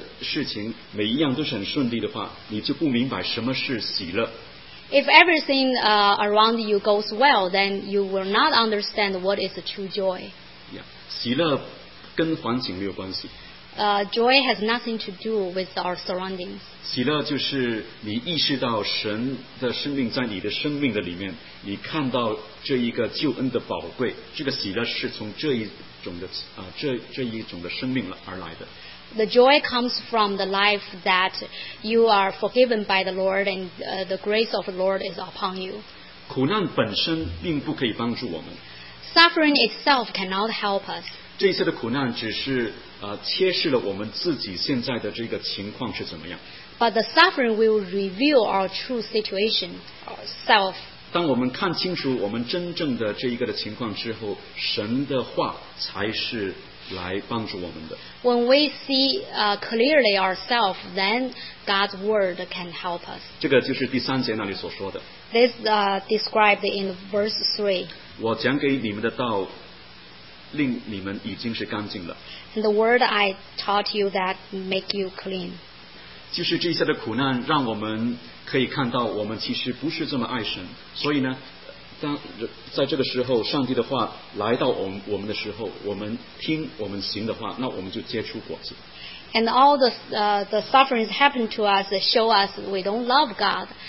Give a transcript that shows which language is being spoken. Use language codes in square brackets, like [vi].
[zh] 如果你身边的事情每一样都是很顺利的话, 你就不明白什么是喜乐。 [en] If everything around you goes well, then you will not understand what is the true joy. [zh] Yeah, 喜乐跟环境没有关系。 [en] Joy has nothing to do with our surroundings. [zh] 喜乐就是你意识到神的生命在你的生命的里面, 你看到这一个救恩的宝贵, 这个喜乐是从这一种的, 这一种的生命而来的。 [en] The joy comes from the life that you are forgiven by the Lord and the grace of the Lord is upon you. [zh] 苦难本身并不可以帮助我们。 [en] Suffering itself cannot help us. [zh] 这些的苦难只是, 切示了我们自己现在的这个情况是怎么样。 [en] But the suffering will reveal our true situation, self. [zh] 当我们看清楚我们真正的这一个的情况之后, 神的话才是 来帮助我们的。 [en] When we see clearly ourselves, then God's word can help us. [zh] 这个就是第三节那里所说的。 [en] This described in verse 3. [zh] 我讲给你们的道, 令你们已经是干净了。 [en] And the word I taught you that make you clean. [zh] 就是这一切的苦难让我们可以看到我们其实不是这么爱神，所以呢当在这个时候上帝的话来到我们的时候，我们听我们行的话，那我们就结出果子。 [en] And all the sufferings happen to us show us we don't love God.